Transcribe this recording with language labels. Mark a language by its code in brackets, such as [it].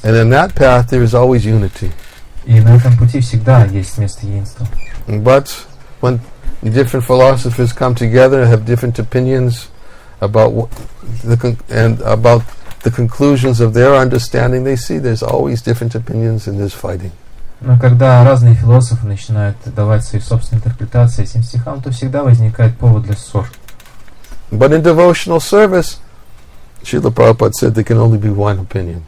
[en] And in that path there is always unity. [ru] И на этом пути всегда есть место единства. [en] But when different philosophers come together and have different opinions about the conclusions of their understanding, they see there's always different opinions and there's fighting. [ru] Но когда разные философы начинают давать свои собственные интерпретации этим стихам, то всегда возникает повод для ссор. [en] But in devotional service, Srila Prabhupada said there can only be one opinion.